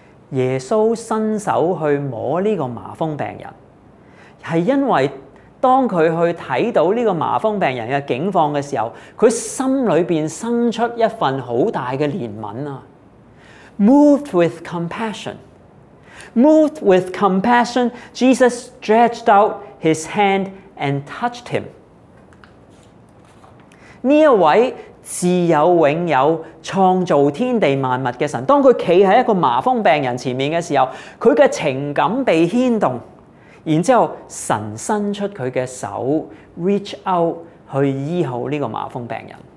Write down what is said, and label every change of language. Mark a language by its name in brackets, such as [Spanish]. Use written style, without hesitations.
[Chinese] 耶稣伸手去摸这个麻风病人，是因为当他去看到这个麻风病人的境况的时候，他心里面生出一份很大的怜悯。 [English] Moved with compassion, moved with compassion, Jesus stretched out his hand and touched him。 [Chinese] 这一位自有永有创造天地万物的神，当他站在一个麻风病人前面的时候，他的情感被牵动，然后神伸出他的手 [English] reach out [Chinese] 去医好这个麻风病人。